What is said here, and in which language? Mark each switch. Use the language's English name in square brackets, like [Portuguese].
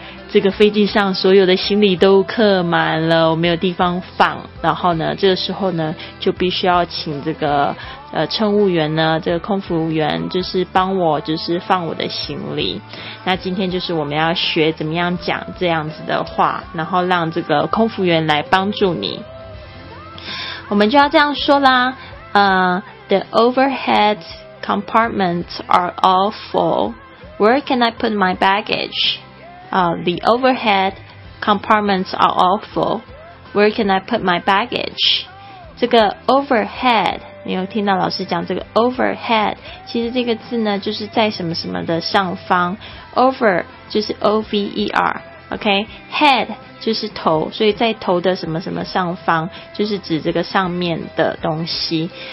[Chinese] 这个飞机上所有的行李都客满了，我没有地方放，然后呢这个时候呢就必须要请这个乘务员呢，这个空服务员就是帮我就是放我的行李。那今天就是我们要学怎么样讲这样子的话，然后让这个空服员来帮助你。我们就要这样说啦， [English] The overhead compartments are all full. Where can I put my baggage? The overhead compartments are all full. Where can I put my baggage? [Chinese] 这个 overhead， 你有听到老师讲这个 overhead， 其实这个字呢就是在什么什么的上方， over 就是 O-V-E-R， OK， head 就是头，所以在头的什么什么上方，就是指这个上面的东西。